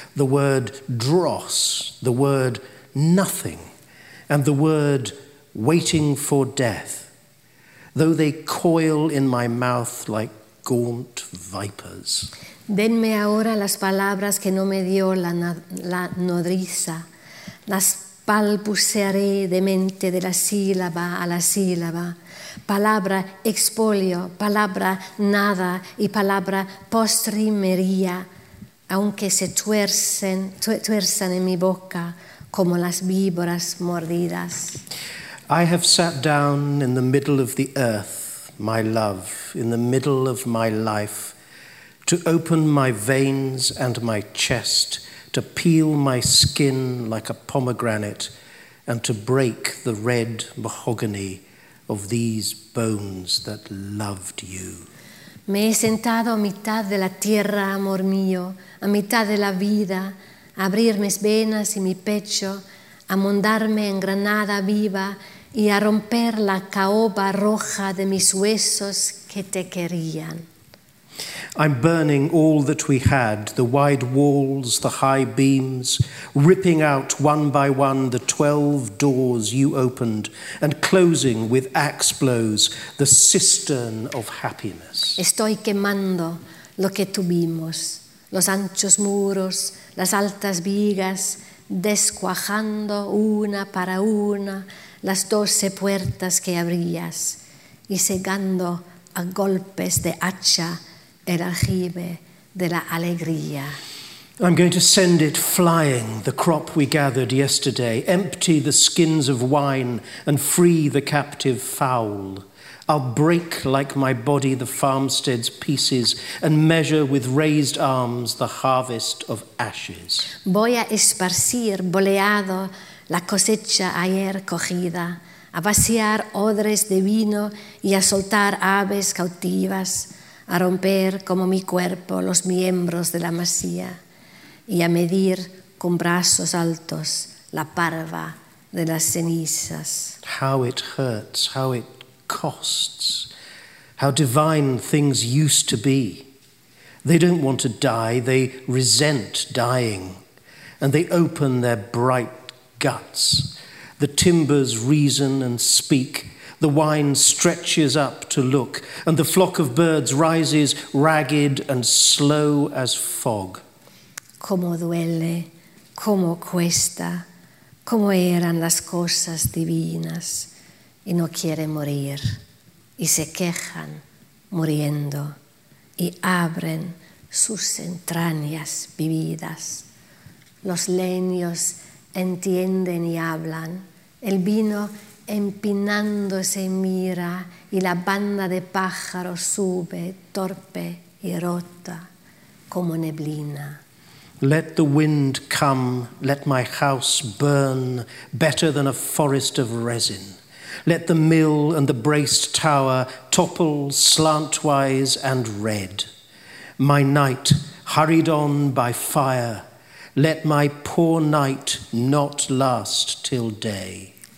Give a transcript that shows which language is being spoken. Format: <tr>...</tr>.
<en>The word dross, the word nothing, and the word waiting for death, though they coil in my mouth like gaunt vipers.</en> <es>Denme ahora las palabras que no me dio la nodriza. Las balbucearé de mente de la sílaba a la sílaba. Palabra expolio, palabra nada y palabra postrimería, aunque se tuerzan en mi boca como las víboras mordidas.</es> <en>I have sat down in the middle of the earth, my love, in the middle of my life, to open my veins and my chest, to peel my skin like a pomegranate, and to break the red mahogany of these bones that loved you.</en> <es>Me he sentado a mitad de la tierra, amor mío, a mitad de la vida, a abrir mis venas y mi pecho, a mondarme en granada viva y a romper la caoba roja de mis huesos que te querían.</es> <en>I'm burning all that we had, the wide walls, the high beams, ripping out one by one the 12 doors you opened and closing with axe blows the cistern of happiness.</en> <es>Estoy quemando lo que tuvimos, los anchos muros, las altas vigas, descuajando una para una las 12 puertas que abrías y cegando a golpes de hacha el aljibe de la alegría.</es> <en>I'm going to send it flying, the crop we gathered yesterday, empty the skins of wine and free the captive fowl. I'll break like my body the farmstead's pieces and measure with raised arms the harvest of ashes.</en> <es>Voy a esparcir boleado la cosecha ayer cogida, a vaciar odres de vino y a soltar aves cautivas, a romper como mi cuerpo los miembros de la masía y a medir con brazos altos la parva de las cenizas.</es> <en>How it hurts, how it costs, how divine things used to be. They don't want to die, they resent dying, and they open their bright guts. The timbers reason and speak, the wine stretches up to look, and the flock of birds rises ragged and slow as fog.</en> <es>Como duele, como cuesta, como eran las cosas divinas. Y no quiere morir, y se quejan muriendo, y abren sus entrañas vividas. Los leños entienden y hablan, el vino empinándose mira, y la banda de pájaros sube, torpe y rota, como neblina.</es> <en>Let the wind come, let my house burn, better than a forest of resin. Let the mill and the braced tower topple slantwise and red. My night hurried on by fire. Let my poor night not last till day.</en>